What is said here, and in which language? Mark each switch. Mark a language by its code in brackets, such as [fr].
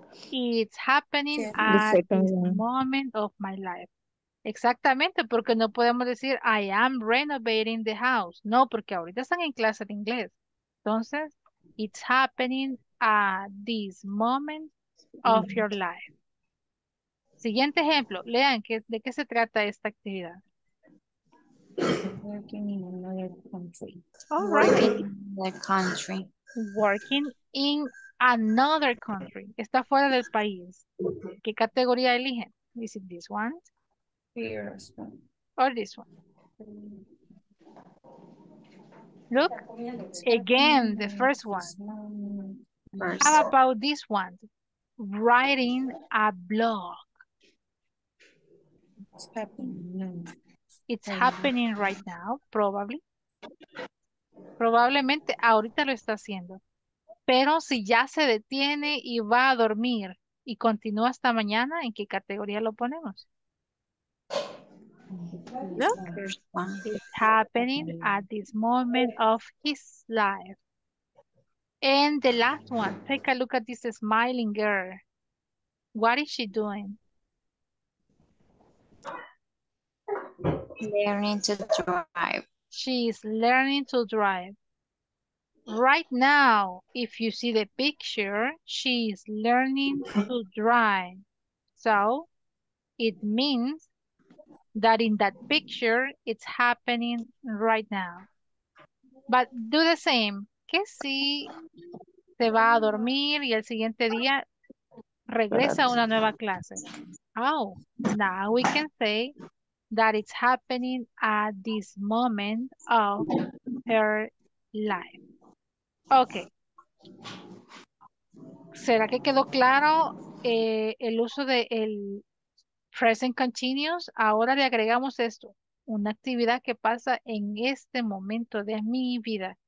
[en] It's happening at this moment of my life. [es] Exactamente, porque no podemos decir [en] I am renovating the house. [es] No, porque ahorita están en clase de inglés. Entonces, [en] it's happening at this moment of your life. [es] Siguiente ejemplo. Lean, ¿de qué se trata esta actividad? [en] Working in another country. All right. Working in the country. Working in another country. [es] Está fuera del país. ¿Qué categoría eligen? [en] Is it this one? Yes. Or this one? Look, again, the first one. First. How about this one? Writing a blog. It's happening. It's happening right now, probably. [es] Probablemente ahorita lo está haciendo. Pero si ya se detiene y va a dormir y continúa hasta mañana, ¿en qué categoría lo ponemos? [en] Look, it's happening at this moment of his life. And the last one, take a look at this smiling girl. What is she doing? Learning to drive. She is learning to drive. Right now, if you see the picture, she is learning to drive. So, it means that in that picture, it's happening right now. But do the same. [es] ¿Qué si se va a dormir y el siguiente día regresa a una nueva clase? [en] Oh, now we can say that it's happening at this moment of her life. Okay. [es] ¿Será que quedó claro el uso de el [en] present continuous? [es] Ahora le agregamos esto. Una actividad que pasa en este momento de mi vida.